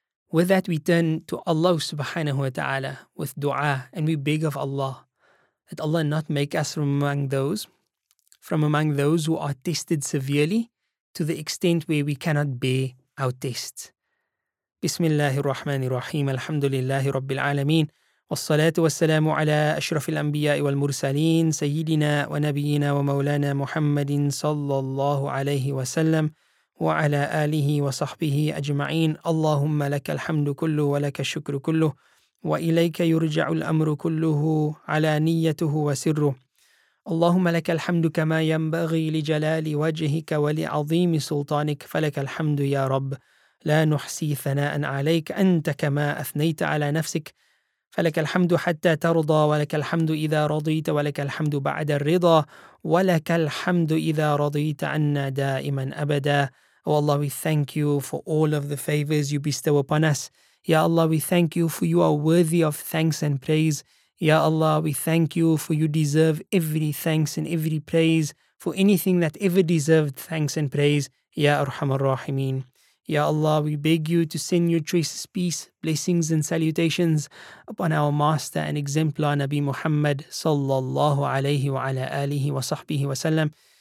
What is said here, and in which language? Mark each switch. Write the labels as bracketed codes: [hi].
[en] With that, we turn to Allah subhanahu wa ta'ala with dua, and we beg of Allah that Allah not make us from among those who are tested severely to the extent where we cannot bear our test. [ar] Bismillahir Rahmanir Rahim. Alhamdulillahi Rabbil Alameen. والصلاة والسلام على أشرف الأنبياء والمرسلين سيدنا ونبينا ومولانا محمد صلى الله عليه وسلم وعلى آله وصحبه أجمعين. اللهم لك الحمد كله ولك الشكر كله وإليك يرجع الأمر كله على نيته وسره. اللهم لك الحمد كما ينبغي لجلال وجهك ولعظيم سلطانك، فلك الحمد يا رب لا نحصي ثناء عليك، أنت كما أثنيت على نفسك فلك الحمد حتى ترضى، ولك الحمد إذا رضيت، ولك الحمد بعد الرضا، ولك الحمد إذا رضيت عنا دائما أبدا. [en] Oh Allah, we thank you for all of the favors you bestow upon us. Ya Allah, we thank you for you are worthy of thanks and praise. Ya Allah, we thank you for you deserve every thanks and every praise for anything that ever deserved thanks and praise. Ya Arhamar Rahimeen. Ya Allah, we beg you to send your choicest peace, blessings and salutations upon our master and exemplar Nabi Muhammad sallallahu alayhi wa ala alihi wa sahbihi wa sallam.